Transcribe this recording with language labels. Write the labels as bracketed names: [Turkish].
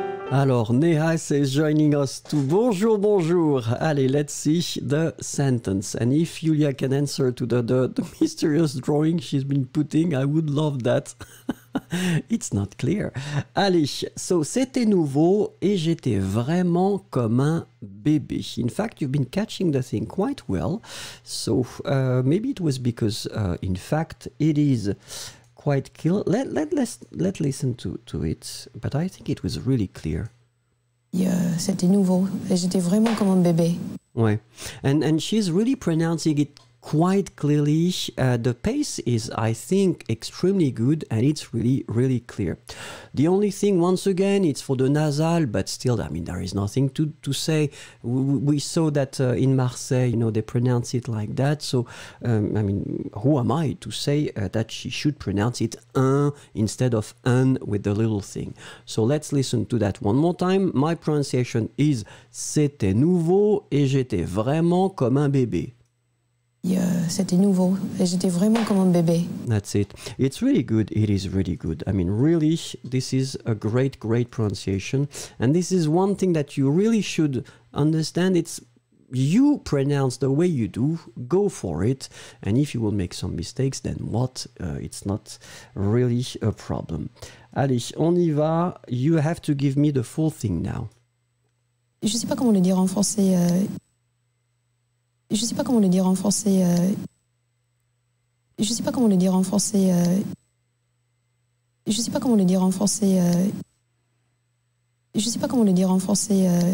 [English] Alors, Neha is joining us too. [French] Bonjour, bonjour. [English] Allez, let's see the sentence. And if Yulia can answer to the mysterious drawing she's been putting, I would love that. It's not clear. [French] Allez, so c'était nouveau et j'étais vraiment comme un bébé. [English] In fact, you've been catching the thing quite well. So maybe it was because, in fact, it is quite clear. Let's listen to it, but I think it was really clear. [French] C'était nouveau et j'étais vraiment comme un bébé. [English] Ouais. And she's really pronouncing it quite clearly. The pace is, I think, extremely good, and it's really, really clear. The only thing, once again, it's for the nasal, but still, I mean, there is nothing to say. We saw that in Marseille, you know, they pronounce it like that. So, I mean, who am I to say that she should pronounce it un instead of un with the little thing? So let's listen to that one more time. My pronunciation is [French] c'était nouveau et j'étais vraiment comme un bébé. C'était nouveau et j'étais vraiment comme un bébé. [English] That's it. It's really good. It is really good. I mean, really, this is a great, great pronunciation. And this is one thing that you really should understand. It's you pronounce the way you do. Go for it. And if you will make some mistakes, then what? It's not really a problem. [French] Allez, on y va. [English] You have to give me the full thing now. [French] Je ne sais pas comment le dire en français. Je sais pas comment le dire en français. Je sais pas comment le dire en français. Je sais pas comment le dire en français. Je sais pas comment le dire en français.